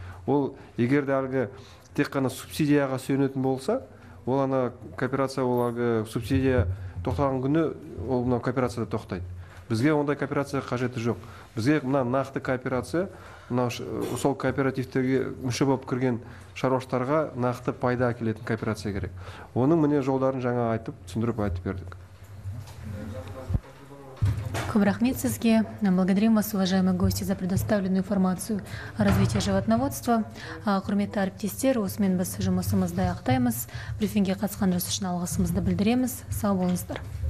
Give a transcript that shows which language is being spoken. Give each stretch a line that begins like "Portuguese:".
Kazakh: Ол егер де әлгі тек қана субсидияға сүйенетін болса, ол ана кооперация ол әлгі субсидия тоқтаған күні ол мына кооперация да тоқтайды. Бізге ондай кооперация қажеті жоқ. Бізге мына нақты кооперация мына сол кооперативтерге мүше болып кірген шаруашылықтарға нақты пайда әкелетін кооперация керек. Оның міне жолдарын жаңа айтып, түсіндіріп айтып бердік. Көп рахмет сізге.
Russian: Благодарим вас, уважаемые гости, за предоставленную информацию о развитии животноводства.
Kazakh: Құрметті әріптестер, осымен біз жұмысымызды аяқтаймыз. Брифингке қатысқандарыңыз үшін алғысымызды білдіреміз. Сау болыңыздар.